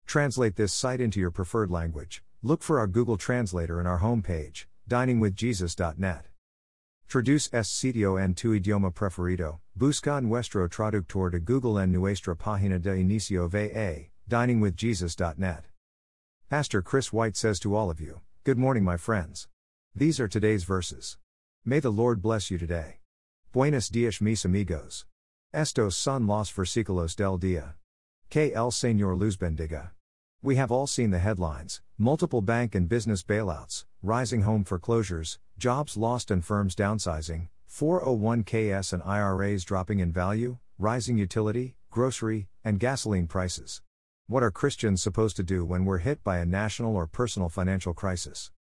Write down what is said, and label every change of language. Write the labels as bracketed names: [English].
[English] Translate this site into your preferred language. Look for our Google Translator in our homepage, diningwithjesus.net. [Spanish] Traduce este sitio en tu idioma preferido, busca nuestro traductor de Google en nuestra página de inicio VA, diningwithjesus.net. [English] Pastor Chris White says to all of you, good morning my friends. These are today's verses. May the Lord bless you today. [Spanish] Buenos dias mis amigos. Estos son los versículos del día. Que el Señor los bendiga. [English] We have all seen the headlines, multiple bank and business bailouts, rising home foreclosures, jobs lost and firms downsizing, 401ks and IRAs dropping in value, rising utility, grocery, and gasoline prices. What are Christians supposed to do when we're hit by a national or personal financial crisis?